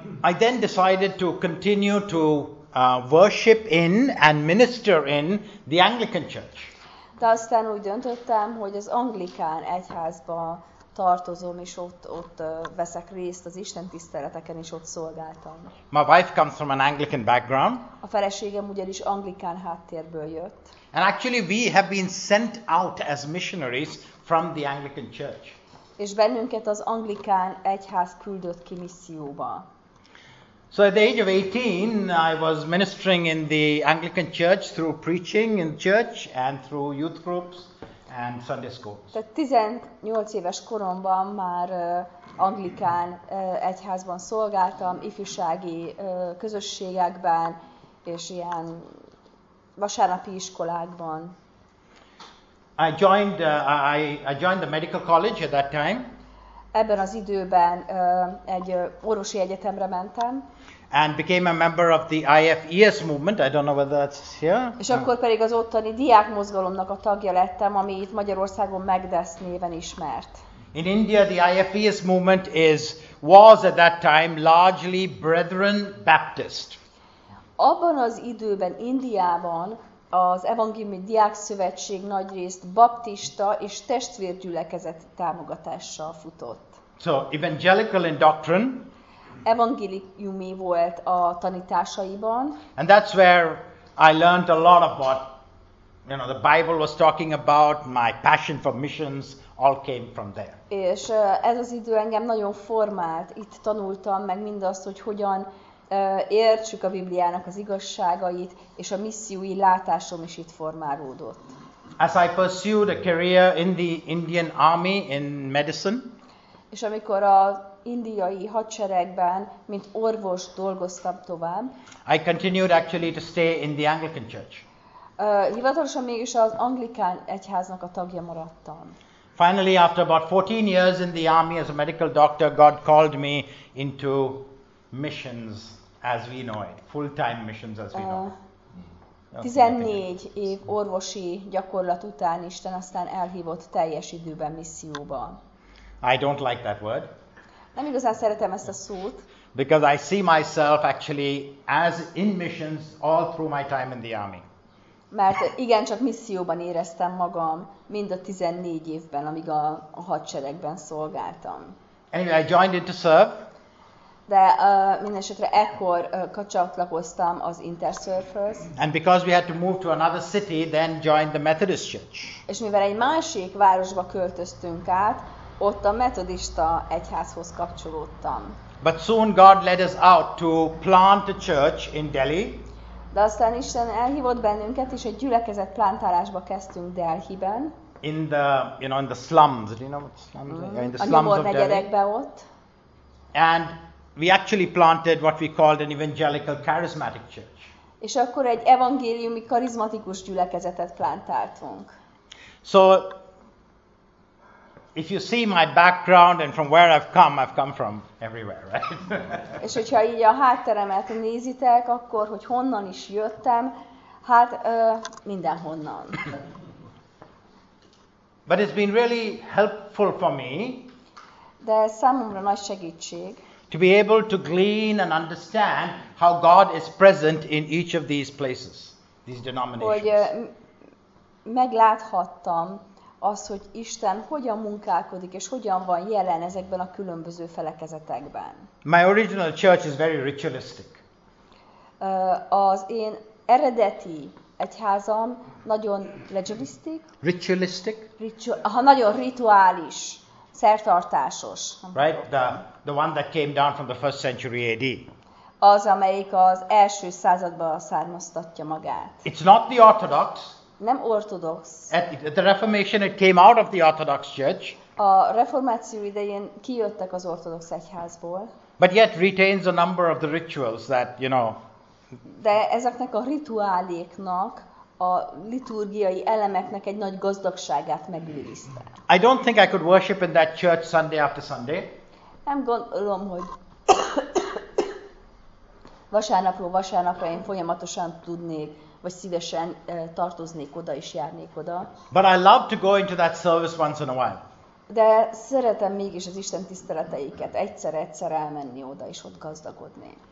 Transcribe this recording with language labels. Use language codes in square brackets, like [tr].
[en] I then decided to continue to worship in and minister in the Anglican Church. [hu] De aztán úgy döntöttem, hogy az anglikán egyházban tartozom, és ott veszek részt az Isten tiszteleteken, és ott szolgáltam. [en] My wife comes from an Anglican background. [hu] A feleségem ugyanis anglikán háttérből jött. [en] And actually we have been sent out as missionaries from the Anglican Church. [hu] És bennünket az anglikán egyház küldött ki misszióba. [en] So at the age of 18, I was ministering in the Anglican Church through preaching in church and through youth groups and Sunday schools. [hu] Tehát 18 éves koromban már anglikán egyházban szolgáltam, ifjúsági közösségekben és ilyen vasárnapi iskolákban. [en] I joined the medical college at that time. [hu] Ebben az időben egy orvosi egyetemre mentem. [en] And became a member of the IFES movement. I don't know whether that's here. [hu] És akkor pedig az ottani diák mozgalomnak a tagja lettem, ami itt Magyarországon MEGDES néven ismert. [en] In India, the IFES movement was at that time largely Brethren Baptist. [hu] Abban az időben Indiában az Evangéliumi Diák Szövetség nagyrészt baptista és testvérgyülekezet támogatással futott. [en] So evangelical in doctrine. [hu] Evangéliumi volt a tanításaiban. [en] And that's where I learned a lot of what, you know, the Bible was talking about, my passion for missions all came from there. [hu] És ez az idő engem nagyon formált. Itt tanultam meg mindazt, hogy hogyan értsük a Bibliának az igazságait, és a missziói látásom is itt formálódott. [en] As I pursued a career in the Indian Army in medicine. [hu] És amikor a indiai hadseregben, mint orvos dolgoztam tovább. [en] I continued actually to stay in the Anglican Church. [hu] Hivatalosan mégis az anglikán egyháznak a tagja maradtam. [en] Finally, after about 14 years in the army as a medical doctor, God called me into missions as we know it, full-time missions as we know it. [hu] 14 év orvosi gyakorlat után Isten aztán elhívott teljes időben misszióba. [en] I don't like that word. [hu] Nem igazán szeretem ezt a szót. [en] Because I see myself actually as in missions all through my time in the army. [hu] Mert igen csak misszióban éreztem magam mind a 14 évben, amíg a hadseregben szolgáltam. [en] Anyway, I joined in to serve. [hu] De mindenesetre ekkor csatlakoztam az InterServe-höz. [en] And because we had to move to another city, then joined the Methodist Church. [hu] És mivel egy másik városba költöztünk át, ott a metodista egyházhoz kapcsolódtam. [en] But soon God led us out to plant a church in Delhi. [hu] De aztán Isten elhívott bennünket, és egy gyülekezet plantálásba kezdtünk Delhiben. [en] In the, you know, in the slums. Do you know what slums are? Yeah, in the slums of Delhi. [hu] A nyomor negyedekbe ott. [en] And we actually planted what we called an evangelical charismatic church. [hu] És akkor egy evangéliumi karizmatikus gyülekezetet plantáltunk. [en] So, if you see my background and from where I've come from everywhere, right? [hu] És hogyha így a hátteremet nézitek, akkor hogy honnan is jöttem, hát mindenhonnan. [en] But it's been really helpful for me. [hu] De számomra nagy segítség. [en] To be able to glean and understand how God is present in each of these places, these denominations. [hu] Hogy megláthattam azt, hogy Isten hogyan munkálkodik és hogyan van jelen ezekben a különböző felekezetekben. [en] My original church is very ritualistic. [hu] Az én eredeti egyházam nagyon legalistic. [en] Ritualistic. [hu] Nagyon rituális. Szertartásos. [en] Right, the one that came down from the first century AD. [hu] Az, amelyik az első században származtatja magát. [en] It's not the Orthodox. [hu] Nem ortodox. [en] At the Reformation it came out of the Orthodox Church. [hu] A reformáció idején kijöttek az ortodox egyházból. [en] But yet retains a number of the rituals that, you know. [hu] De ezeknek a rituáléknak a liturgiai elemeknek egy nagy gazdagságát megőrizte. [en] I don't think I could worship in that church Sunday after Sunday. [hu] Nem gondolom, hogy vasárnapról vasárnapra én folyamatosan tudnék, vagy szívesen tartoznék oda és járnék oda. [en] But I love to go into that service once in a while. [hu] De szeretem mégis az Isten tiszteleteiket egyszer-egyszer elmenni oda és ott gazdagodni.